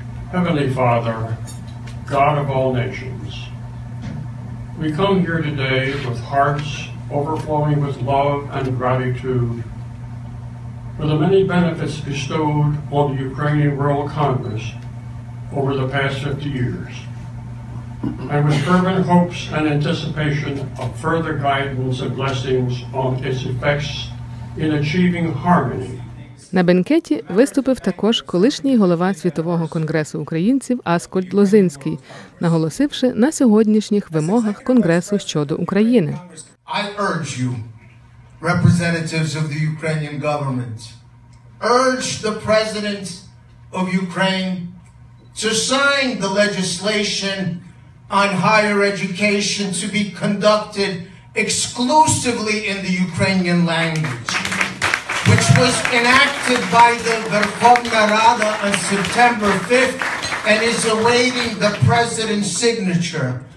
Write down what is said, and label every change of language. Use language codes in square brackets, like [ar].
[en] Heavenly Father, God of all nations, we come here today with hearts overflowing with love and gratitude for the many benefits bestowed on the Ukrainian World Congress over the past 50 years, and with fervent hopes and anticipation of further guidance and blessings on its effects in achieving harmony. [uk] На бенкеті виступив також колишній голова Світового конгресу українців Аскольд Лозинський, наголосивши на сьогоднішніх вимогах конгресу щодо України. [en] I urge you, representatives of the Ukrainian government, urge the president of Ukraine to sign the legislation on higher education to be conducted exclusively in the Ukrainian language, which was enacted by the Verkhovna Rada on September 5th and is awaiting the president's signature.